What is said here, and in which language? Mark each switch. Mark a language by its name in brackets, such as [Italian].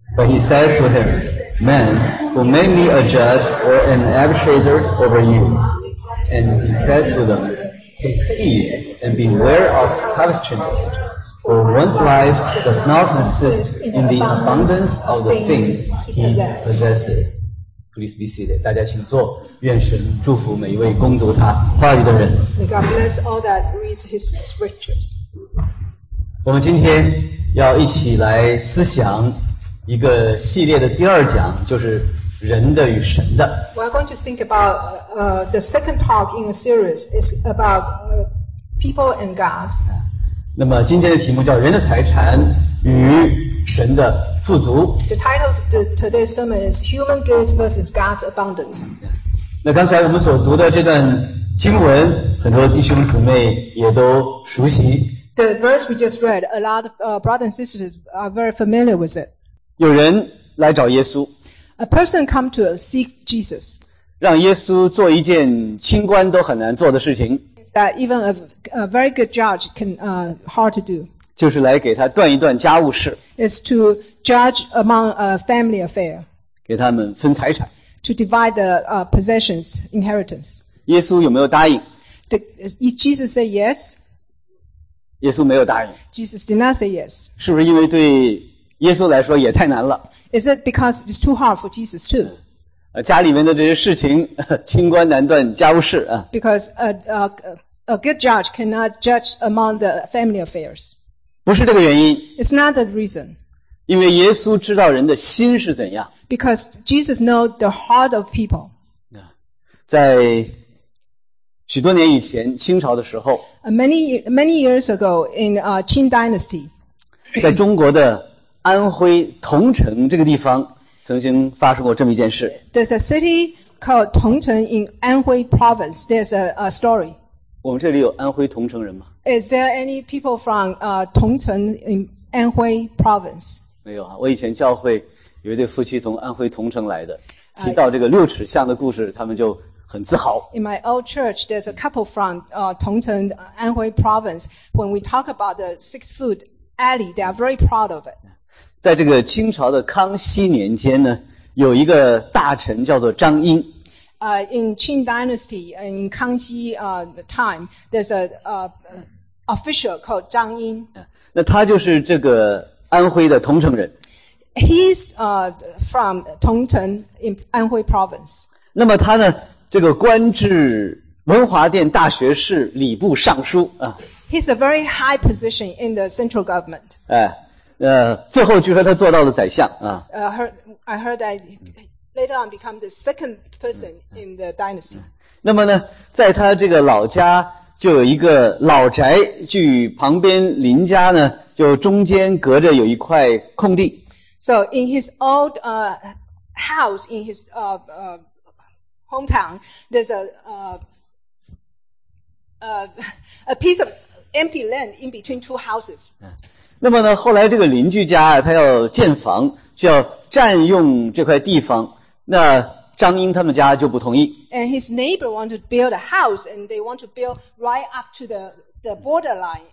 [English] But he said to him, Man, who made me a judge or an arbitrator over you? And he said to them, Take heed and beware of covetousness. For one's life does not consist in the abundance of the things he possesses. Please be seated. [Chinese] 大家请坐。愿神祝福每一位攻读他话语的人。 [English] May God bless all that reads his scriptures. [Chinese] 我们今天要一起来思想一个系列的第二讲，就是人的与神的。 [English] We're going to think about the second talk in a series is about people and God. [Chinese] 那么今天的题目叫人的财产与神的富足。 [English] The title of today's sermon is Human Goods versus God's Abundance. [Chinese] 那刚才我们所读的这段经文，很多弟兄姊妹也都熟悉。 [English] The verse we just read, a lot of brothers and sisters are very familiar with it. [Chinese] 有人来找耶稣。 [English] A person come to seek Jesus. [Chinese] 让耶稣做一件清官都很难做的事情。 [English] That even a very good judge can hard to do. [Chinese] 就是来给他断一断家务事。 [English] Is to judge among a family affair. [Chinese] 给他们分财产。 [English] To divide the possessions, inheritance. [Chinese] 耶稣有没有答应？ [English] Jesus say yes. [Chinese] 耶稣没有答应。 [English] Jesus did not say yes. [Chinese] 是不是因为对耶稣来说也太难了？ [English] Is it because it's too hard for Jesus too? [Chinese] 家里面的这些事情，清官难断家务事啊。 [English] Because a good judge cannot judge among the family affairs. [Chinese] 不是这个原因。 [English] It's not the reason. [Chinese] 因为耶稣知道人的心是怎样。 [English] Because Jesus knows the heart of people. [Chinese] 在许多年以前，清朝的时候。 [English] Many years ago in Qing Dynasty. [Chinese] 在中国的安徽桐城这个地方。曾经发生过这么一件事。 [English] There's a city called 桐城 in Anhui province. There's a story. [Chinese] 我们这里有安徽桐城人吗？ [English] Is there any people from 桐城 in Anhui province? [Chinese] 没有啊，我以前教会有一对夫妻从安徽桐城来的，提到这个六尺巷的故事，他们就很自豪。 [English] In my old church, there's a couple from 桐城 Anhui province. When we talk about the six-foot alley, they are very proud of it. [Chinese] 在这个清朝的康熙年间呢，有一个大臣叫做张英。 [English] In Qing Dynasty, in 康熙time, there's a official called 张英。 [Chinese] 那他就是这个安徽的桐城人。 [English] He's from 桐城 in 安徽 province. [Chinese] 那么他呢，这个官至文华殿大学士、礼部尚书啊。 [English] He's a very high position in the central government. [Chinese] 最后据说他做到了宰相啊。 [English] I heard that later on become the second person in the dynasty. [Chinese] 那么呢，在他这个老家就有一个老宅，距旁边邻家呢，就中间隔着有一块空地。 [English] So in his old house in his hometown, there's a piece of empty land in between two houses. [Chinese] 那么呢，后来这个邻居家啊，他要建房，就要占用这块地方。那张英他们家就不同意。 [English] And his neighbor wanted to build a house, and they want to build right up to the borderline.